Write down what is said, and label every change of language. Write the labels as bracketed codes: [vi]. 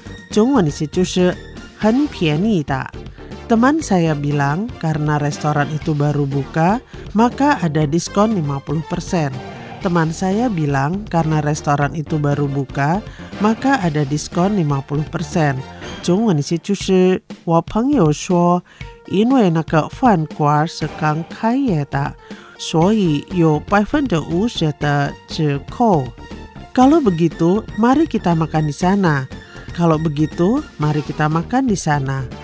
[zh] 中文意思就是很便宜的。 [id] Teman saya bilang karena restoran itu baru buka, maka ada diskon 50%. Teman saya bilang karena restoran itu baru buka, maka ada diskon 50%. [zh] 中文意思就是我朋友说，因为那个饭馆是刚开业的，所以有50%的折扣。 [id] Kalau begitu, mari kita makan di sana. Kalau begitu, mari kita makan di sana.